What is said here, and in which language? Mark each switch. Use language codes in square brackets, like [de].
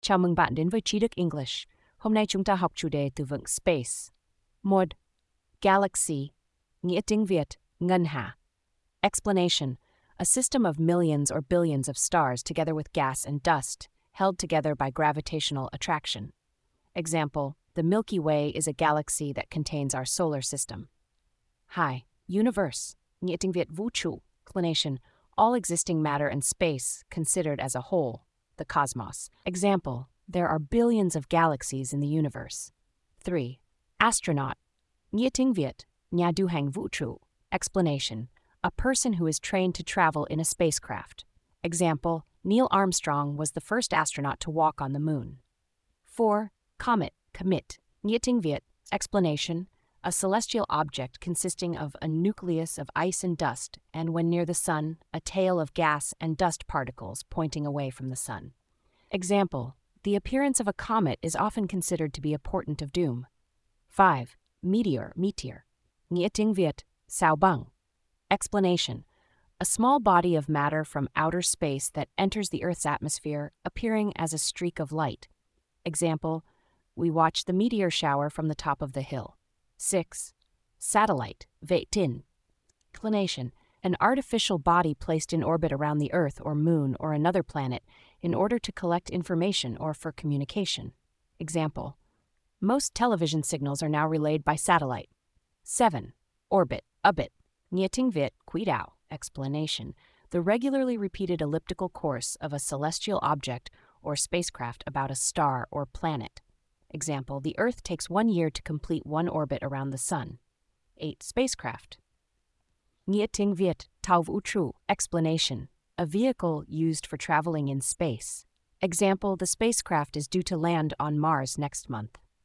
[vi] Chào mừng bạn đến với Trí Đức English. Hôm nay chúng ta học chủ đề từ vựng Space. 1. Galaxy. Nghĩa tiếng Việt, ngân hà. [en] Explanation. A system of millions or billions of stars together with gas and dust, held together by gravitational attraction. Example. The Milky Way is a galaxy that contains our solar system. [vi] 2. Universe. Nghĩa tiếng Việt vũ trụ. Explanation. [en] All existing matter and space, considered as a whole. The cosmos. Example, there are billions of galaxies in the universe. 3. Astronaut. [vi] Nghĩa tiếng Việt, nhà du hành vũ trụ. [en] Explanation, a person who is trained to travel in a spacecraft. Example, Neil Armstrong was the first astronaut to walk on the moon. [vi] 4. Comet. Comet. Nghĩa tiếng Việt. [en] Explanation, a celestial object consisting of a nucleus of ice and dust, and when near the sun, a tail of gas and dust particles pointing away from the sun. Example, the appearance of a comet is often considered to be a portent of doom. 5. Meteor, meteor. [vi] Nghĩa tiếng Việt, sao băng. [en] Explanation, a small body of matter from outer space that enters the Earth's atmosphere, appearing as a streak of light. Example, we watch the meteor shower from the top of the hill. 6. Satellite, [vi] vệ tinh. [en] Inclination, an artificial body placed in orbit around the Earth or Moon or another planet in order to collect information or for communication. Example, most television signals are now relayed by satellite. 7. Orbit, abit. [vi] Nghĩa tiếng Việt, quỹ đạo. [en] Explanation, the regularly repeated elliptical course of a celestial object or spacecraft about a star or planet. Example, the Earth takes 1 year to complete one orbit around the Sun. 8. Spacecraft. [vi] Nghĩa tiếng Việt, tàu vũ trụ. [en] Explanation, a vehicle used for traveling in space. Example, the spacecraft is due to land on Mars next month.